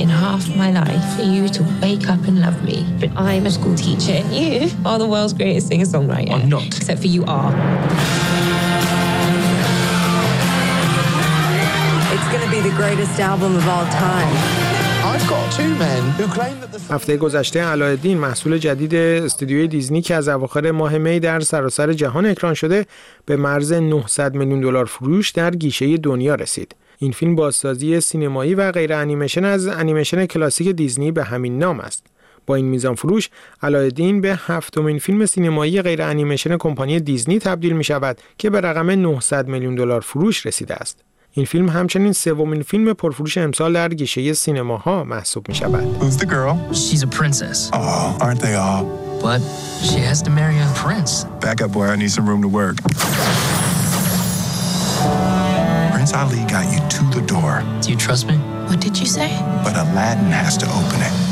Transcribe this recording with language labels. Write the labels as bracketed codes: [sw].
[en] Half my life for you to wake up and love me. But I'm a school teacher and you are the world's greatest singer-songwriter. I'm not. Except for you are. It's gonna be the greatest album of all time. [fa] هفته گذشته علاءالدین محصول جدید استودیوی دیزنی که از اواخر ماه می در سراسر جهان اکران شده به مرز 900 میلیون دلار فروش در گیشه دنیا رسید. این فیلم بازسازی سینمایی و غیر انیمیشن از انیمیشن کلاسیک دیزنی به همین نام است. با این میزان فروش علاءالدین به هفتمین فیلم سینمایی غیر انیمیشن کمپانی دیزنی تبدیل می شود که به رقم 900 میلیون دلار فروش رسیده است. این فیلم همچنین سومین فیلم پرفروش امسال در گیشه سینماها محسوب می شود. [en] Who's the girl? She's a princess. Oh, aren't they all? But she has to marry a prince. Back up, boy. I need some room to work. Prince Ali got you to the door. Do you trust me? What did you say? But Aladdin has to open it.